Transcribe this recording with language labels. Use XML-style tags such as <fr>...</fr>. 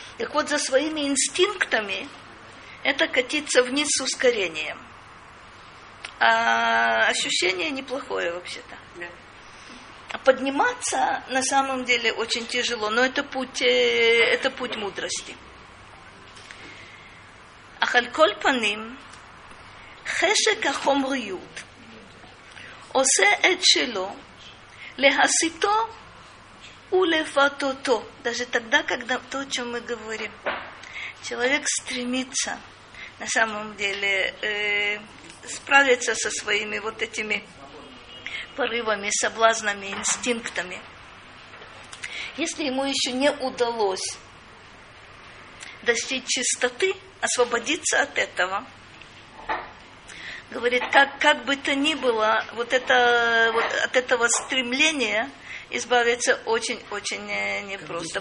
<ru>Так вот, за своими инстинктами это катиться вниз с ускорением. А ощущение неплохое вообще-то. А подниматься на самом деле очень тяжело, но это путь мудрости.</ru> <he>Ахальколь паним חשק החומריות עושה את שלו להסיתו ולפתותו.</he> <ru>Даже тогда, когда то, о чем мы говорим, человек стремится на самом деле справиться со своими вот этими порывами, соблазнами, инстинктами. Если ему еще не удалось достичь чистоты, освободиться от этого, говорит, как бы то ни было, вот это вот от этого стремления избавиться очень-очень непросто.</ru>